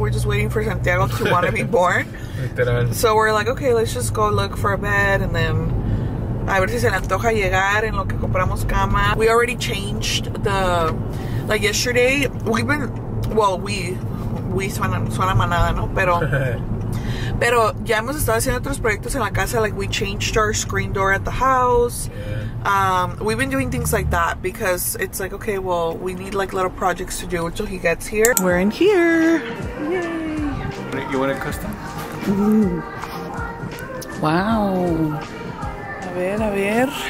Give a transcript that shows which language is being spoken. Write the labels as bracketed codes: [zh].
[en] We're just waiting for Santiago to want to be born. So we're like, okay, let's just go look for a bed and then... [es] A ver si se le antoja llegar en lo que compramos cama. [en] We already changed the... Like, yesterday, we've been... Well, we... [es] We suena manada, ¿no? Pero ya hemos estado haciendo otros proyectos en la casa. [en] Like, we changed our screen door at the house. Yeah. We've been doing things like that because it's like, okay, well, we need, like, little projects to do until he gets here. We're in here. Yay. You want a custom? [es] Ooh. Wow. A ver.